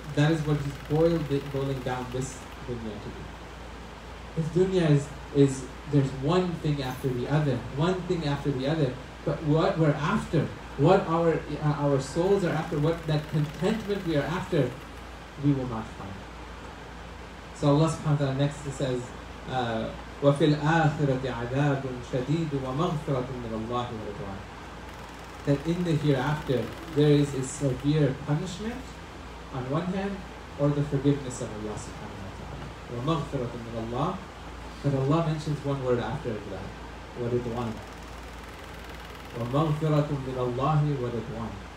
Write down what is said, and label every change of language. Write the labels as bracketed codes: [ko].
[en] That is what he's boiling down this dunya to be. This dunya is there's one thing after the other, one thing after the other. But what we're after, what our souls are after, what that contentment we are after, we will not find. So Allah subhanahu wa ta'ala next says, [ar] وَفِي الْآخِرَةِ عَذَابٌ شَدِيدٌ وَمَغْفِرَةٌ مِنَ اللَّهِ وَرِضْوَانٌ. [en] That in the hereafter, there is a severe punishment on one hand, or the forgiveness of Allah subhanahu wa ta'ala. [ar] وَمَغْفِرَةٌ مِنَ اللَّهِ. [en] But Allah mentions one word after that, وَرِضْوَانٌ. [ar] وَمَغْفِرَةٌ مِنَ اللَّهِ وَرِضْوَانٌ.